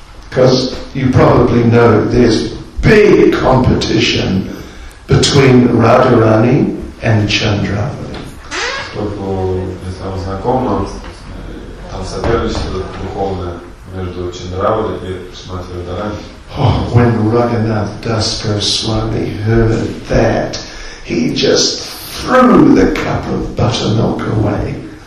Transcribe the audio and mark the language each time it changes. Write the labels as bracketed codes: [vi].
[en] Because you probably know there's big competition between Radharani and Chandravali. [ru] Кто-то, если вам знакомо, там соперничество духовное между Чандравали и Шримати Радхарани. [en] Oh, when Raghunath Das Goswami heard that, he just threw the cup of buttermilk away.